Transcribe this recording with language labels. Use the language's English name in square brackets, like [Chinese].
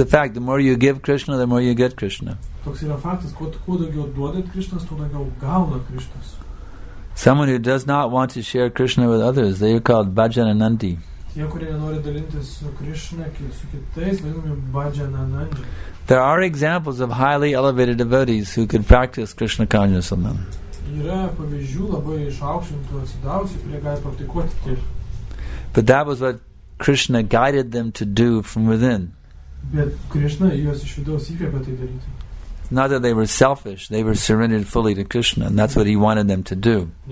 [English] a fact, the more you give Krishna, the more you get Krishna. [Lithuanian] Toks yra faktas, kuo daugiau duodat Krishnas, tuo daugiau gauna Krishnas. [English] Someone who does not want to share Krishna with others, they are called Bhajananandi. [Lithuanian] Tie, kurie nenori dalintis su Krishna, su kitais, vadinami Bhajananandi. [English] There are examples of highly elevated devotees who can practice Krishna consciousness on them. [Lithuanian] Yra pavyzdžių labai išaukštintų atsidavusių, kurie gali praktikuoti tai. [English] But that was what Krishna guided them to do from within. [Lithuanian] Bet Krishna juos iš vidaus įkvėpė tai daryti. [English] Not that they were selfish, they were surrendered fully to Krishna, and that's what he wanted them to do.